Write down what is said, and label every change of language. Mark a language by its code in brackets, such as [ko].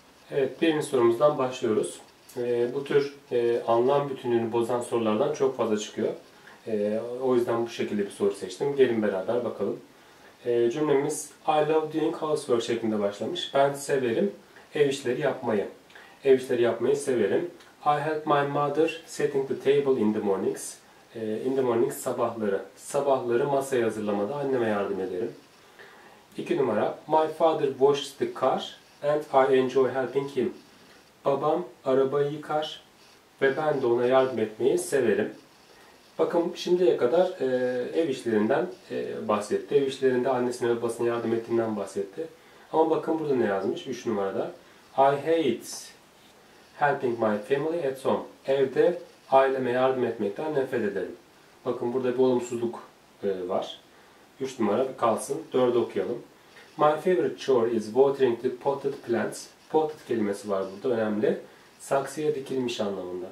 [tr] Evet, birinci sorumuzdan başlıyoruz. Bu tür anlam bütünlüğünü bozan sorulardan çok fazla çıkıyor. O yüzden bu şekilde bir soru seçtim. Gelin beraber bakalım. Cümlemiz [en] I love doing housework [tr] şeklinde başlamış. Ben severim ev işleri yapmayı. Ev işleri yapmayı severim. [en] I help my mother setting the table in the mornings. In the mornings, [tr] sabahları. Sabahları masayı hazırlamada anneme yardım ederim. İki numara. [en] My father washes the car and I enjoy helping him. [tr] Babam arabayı yıkar ve ben de ona yardım etmeyi severim. Bakın, şimdiye kadar ev işlerinden bahsetti. Ev işlerinde annesine ve babasına yardım ettiğinden bahsetti. Ama bakın burada ne yazmış? Üç numarada. [en] I hate helping my family at home. [tr] Evde aileme yardım etmekten nefret ederim. Bakın burada bir olumsuzluk var. 3 numara kalsın. 4'ü okuyalım. [en] My favorite chore is watering the potted plants. [tr] Potted kelimesi var burada, önemli. Saksıya dikilmiş anlamında.